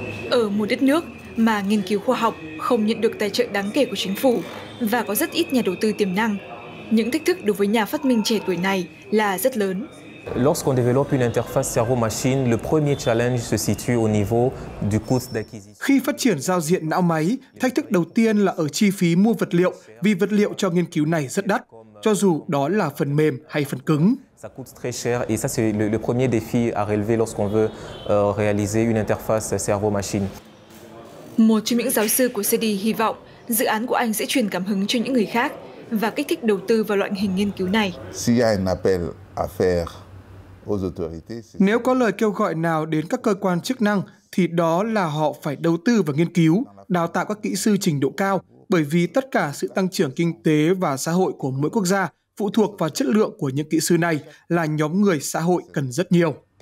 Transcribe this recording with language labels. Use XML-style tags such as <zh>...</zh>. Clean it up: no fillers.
<vi>Ở một đất nước mà nghiên cứu khoa học không nhận được tài trợ đáng kể của chính phủ và có rất ít nhà đầu tư tiềm năng, những thách thức đối với nhà phát minh trẻ tuổi này là rất lớn.</vi> <fr>Lorsqu'on développe une interface cerveau-machine, le premier challenge se situe au niveau du coût d'acquisition.</fr> <vi>Khi phát triển giao diện não máy, thách thức đầu tiên là ở chi phí mua vật liệu, vì vật liệu cho nghiên cứu này rất đắt, cho dù đó là phần mềm hay phần cứng.</vi> <fr>Ça coûte très cher et ça c'est le premier défi à relever lorsqu'on veut réaliser une interface cerveau-machine.</fr> <vi>Một trong những giáo sư của Seydi hy vọng dự án của anh sẽ truyền cảm hứng cho những người khác và kích thích đầu tư vào loại hình nghiên cứu này.</vi> <fr>S'il y a un appel à faire.</fr> <vi>Nếu có lời kêu gọi nào đến các cơ quan chức năng thì đó là họ phải đầu tư vào nghiên cứu, đào tạo các kỹ sư trình độ cao, bởi vì tất cả sự tăng trưởng kinh tế và xã hội của mỗi quốc gia phụ thuộc vào chất lượng của những kỹ sư này, là nhóm người xã hội cần rất nhiều.</vi>